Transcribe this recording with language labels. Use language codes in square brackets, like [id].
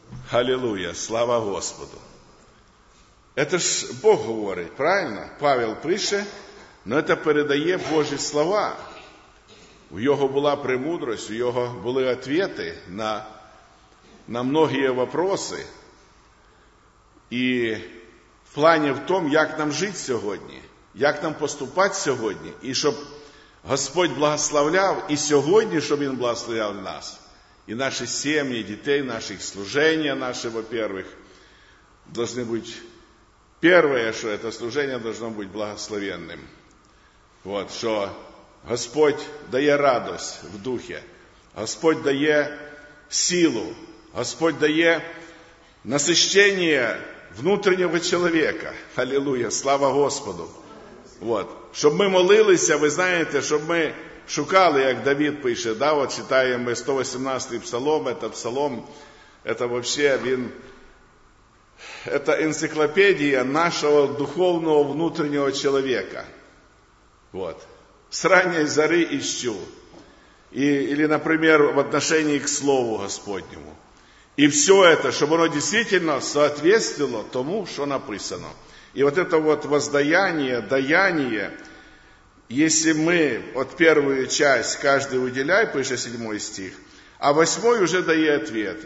[ru] Аллилуйя, слава Господу. Это ж Бог говорит, правильно? [uk] Павел пишет, но это передає Божі слова. У Його [ru] була премудрость, у Його були ответы на многие вопросы. И в плане в том, [uk] як нам жить сьогодні, як нам поступати сьогодні, і щоб Господь благословляв і сьогодні, щоб Він благословляв нас, і наші сім'ї, дітей, наші служення наше, [ru] во-первых, должны [uk] бути, перше, що це служення должно бути благословенним. От, що Господь дає радость [ru] в духе, [uk] Господь дає силу, Господь дає насищення внутрішнього чоловіка. Алілуя, слава Господу. Вот. Щоб ми молилися, ви знаєте, щоб ми шукали, як Давид пише, да, от читаємо ми 118-й псалом, це псалом, це взагалі він, це енциклопедія нашого духовного внутрішнього чоловіка. [ru] Вот. С ранней зари ищу. И, или, например, в отношении к Слову Господнему. И все это, чтобы оно действительно соответствовало тому, что написано. И вот это вот воздаяние, даяние, если мы вот первую часть каждый уделяй, пишет 7 стих, а 8 уже дает ответ.